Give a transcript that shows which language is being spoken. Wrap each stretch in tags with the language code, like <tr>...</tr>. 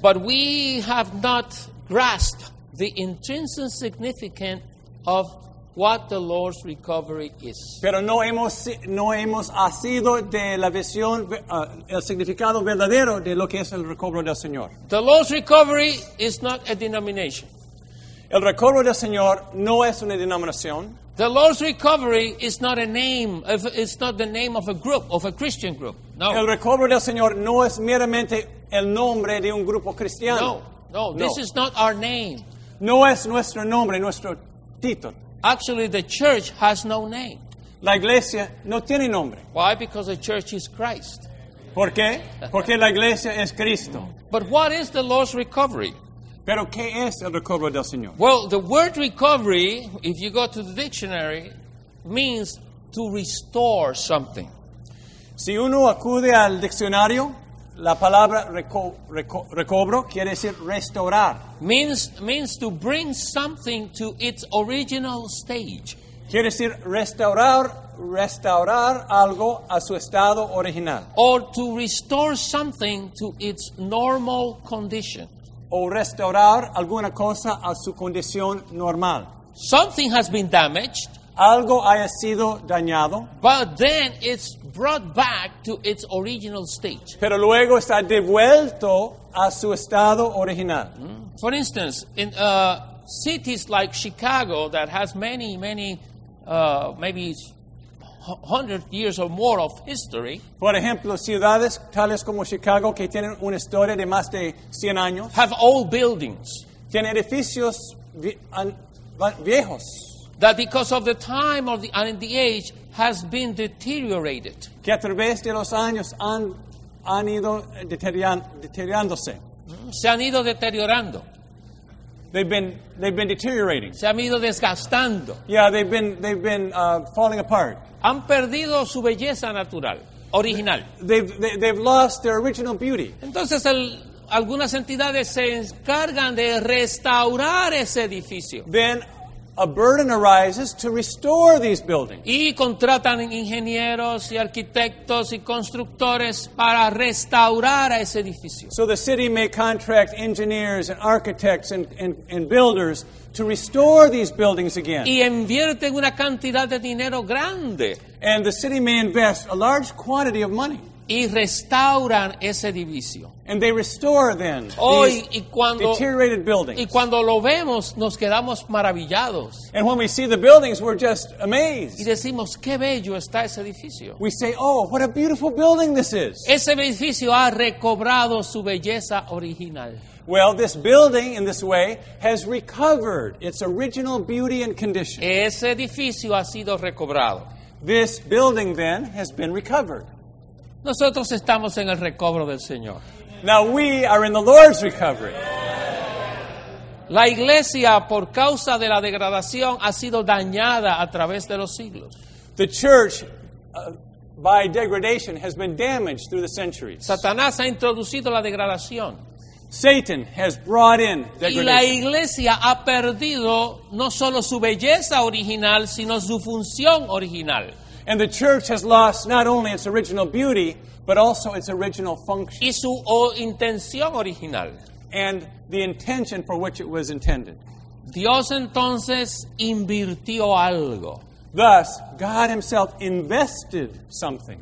<en>But we have not grasped the intrinsic significance of what the Lord's recovery is.</en> <es>Pero no hemos asido de la visión el significado verdadero de lo que es el recobro del Señor.</es> <en>The Lord's recovery is not a denomination.</en> <es>El recobro del Señor no es una denominación.</es> <en>The Lord's recovery is not a name. It's not the name of a group, of a Christian group. No.</en> <es>El recobro del Señor no es meramente el nombre de un grupo cristiano.</es> <en>No. This is not our name.</en> <es>No es nuestro nombre, nuestro título.</es> <en>Actually, the church has no name.</en> <es>La iglesia no tiene nombre.</es> <en>Why? Because the church is Christ.</en> <es>¿Por qué? Porque la iglesia es Cristo.</es> <en>But what is the Lord's recovery?</en> <es>¿Pero qué es el recobro del Señor?</es> <en>Well, the word recovery, if you go to the dictionary, means to restore something.</en> <es>Si uno acude al diccionario, la palabra recobro quiere decir restaurar.</es> <en>Means to bring something to its original stage.</en> <es>Quiere decir restaurar algo a su estado original.</es> <en>Or to restore something to its normal condition.</en> <es>O restaurar alguna cosa a su condición normal.</es> <en>Something has been damaged.</en> <es>Algo haya sido dañado.</es> <en>But then it's brought back to its original stage.</en> <es>Pero luego está devuelto a su estado original.</es> <en>For instance, in cities like Chicago that has many, many, maybe 100 years or more of history.</en> <es>Por ejemplo, ciudades tales como Chicago que tienen una historia de más de 100 años.</es> <en>Have old buildings.</en> <es>Tienen edificios viejos.</es> <en>that because of the time or the, and the age has been deteriorated.</en> <es>Que a través de los años han ido deteriorándose. Se han ido deteriorando.</es> <en>They've been deteriorating.</en> <es>Se han ido desgastando.</es> <en>Yeah, they've been falling apart.</en> <es>Han perdido su belleza natural, original.</es> <en>They've lost their original beauty.</en> <es>Entonces algunas entidades se encargan de restaurar ese edificio.</es> <en>Then a burden arises to restore these buildings.</en> <es>Y contratan ingenieros y arquitectos y constructores para restaurar ese edificio.</es> <en>So the city may contract engineers and architects and builders to restore these buildings again.</en> <es>Y invierten una cantidad de dinero grande.</es> <en>And the city may invest a large quantity of money.</en> <es>Y restauran ese edificio.</es> <en>And they restore then</en> <es>hoy,</es> <en>these</en> <es>y cuando,</es> <en>deteriorated buildings.</en> <es>Y cuando lo vemos, nos quedamos maravillados.</es> <en>And when we see the buildings, we're just amazed.</en> <es>Y decimos, qué bello está ese edificio.</es> <en>We say, oh, what a beautiful building this is.</en> <es>Ese edificio ha recobrado su belleza original.</es> <en>Well, this building, in this way, has recovered its original beauty and condition.</en> <es>Ese edificio ha sido recobrado.</es> <en>This building then has been recovered.</en> <es>Nosotros estamos en el recobro del Señor.</es> <en>Now we are in the Lord's recovery.</en> <es>La iglesia, por causa de la degradación, ha sido dañada a través de los siglos.</es> <en>The church, by degradation, has been damaged through the centuries.</en> <es>Satanás ha introducido la degradación.</es> <en>Satan has brought in degradation.</en> <es>Y la iglesia ha perdido no solo su belleza original, sino su función original.</es> <en>And the church has lost not only its original beauty, but also its original function.</en> <es>Y su intención original.</es> <en>And the intention for which it was intended.</en> <es>Dios entonces invirtió algo.</es> <en>Thus, God himself invested something.</en>